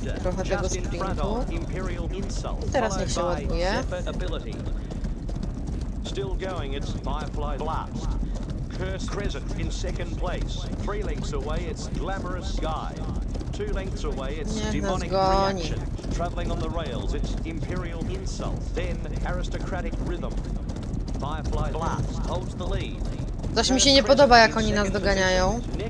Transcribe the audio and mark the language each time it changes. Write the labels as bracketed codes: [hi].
[pl] Trochę tego sprintu. I teraz niech się ładuje. [en] Still going, it's Firefly Blast. Curse Crescent in second place. Three lengths away, it's Glamorous Sky. Two lengths away, it's Demonic Reaction. Traveling on the rails, it's Imperial Insult. Then Aristocratic Rhythm. Firefly Blast holds the lead. [pl] Coś mi się nie podoba, jak oni nas doganiają.